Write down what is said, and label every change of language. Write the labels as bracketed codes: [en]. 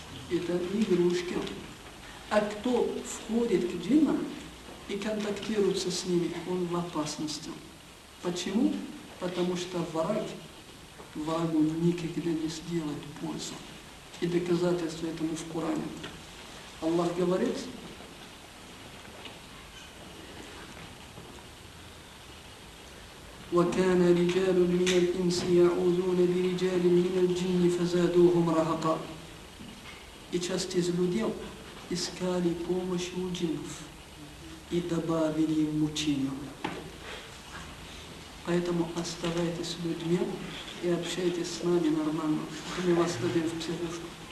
[ru] Это не игрушки. А кто входит к джиннам и контактируется с ними, он в опасности. Почему? Потому что враг врагу никогда не сделает пользу. И доказательство этому в Коране. Аллах говорит, [ar] وَكَانَ رِجَالٌ مِنَ الْإِنْسِ يَعُوذُونَ بِرِجَالٍ مِنَ الْجِنِّ فَزَادُوهُمْ رَهَقًا. [ru] И часть из людей искали помощи у джиннов и добавили им мучения. Поэтому оставайтесь людьми и общайтесь с нами нормально. Мы вас дадим в психушку.